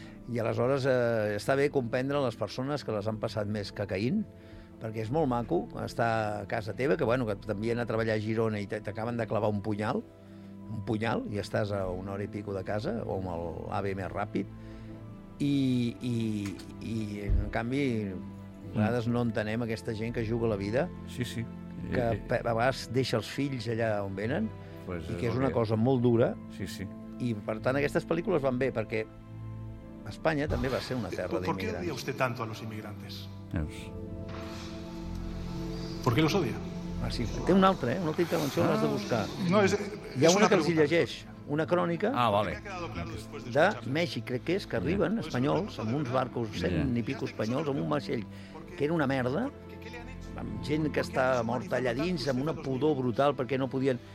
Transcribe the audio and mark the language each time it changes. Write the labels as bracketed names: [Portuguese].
[Catalan] I aleshores està bé comprendre les persones que les han passat més cacaïn, perquè és molt maco estar a casa teva, que, bueno, que t'envien a treballar a Girona i t'acaben de clavar un punyal, i estàs a una hora i pico de casa, o amb l'AVE més ràpid, i en canvi, a vegades no entenem aquesta gent que juga la vida, sí. Que a vegades deixa els fills allà on venen, [Spanish] pues, [Catalan] i que és una cosa molt dura, sí. I per tant aquestes pel·lícules van bé, perquè... [Spanish] España también va a ser una tierra de inmigrantes. ¿Por qué odia usted tanto a los inmigrantes? [English] Yes. [Spanish] ¿Por qué los odia? Ah, sí. [Catalan] Té una altra, una altra intervenció, l'has de buscar. No, és, hi ha una que pregunta, els llegeix, una crònica vale. De Mèxic, crec que és, que arriben espanyols amb uns barcos, 100 i pico espanyols, amb un vaixell, que era una merda, amb gent que està morta allà dins, amb una pudor brutal perquè no podien...